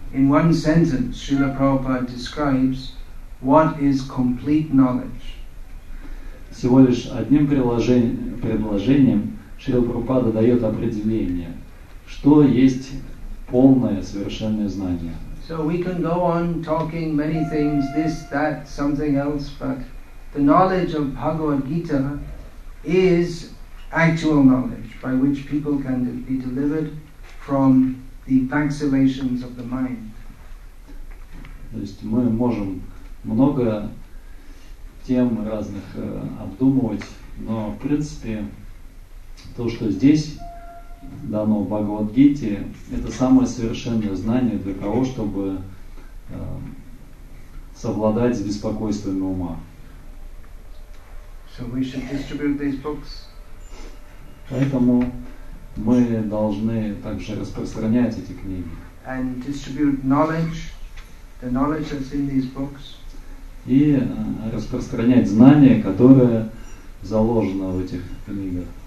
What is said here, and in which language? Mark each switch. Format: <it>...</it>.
<en>In one sentence, Srila Prabhupada describes what is complete knowledge.</en> <ru>Всего лишь одним предложением Шрила Прабхупада дает определение, что есть полное, совершенное знание.</ru> <en>So we can go on talking many things, this, that, something else, but the knowledge of Bhagavad Gita is actual knowledge by which people can be delivered from the vacillations of the mind.</en> <ru>То есть мы можем много тем разных обдумывать, но в принципе то, что здесь дано в Бхагавад-гите, это самое совершенное знание для того, чтобы совладать с беспокойством ума.</ru> <en>So we should distribute these books.</en> <ru>Поэтому мы должны также распространять эти книги.</ru> <en>And distribute knowledge, the knowledge that's in these books.</en> <ru>И распространять знания, которые заложены в этих книгах.</ru>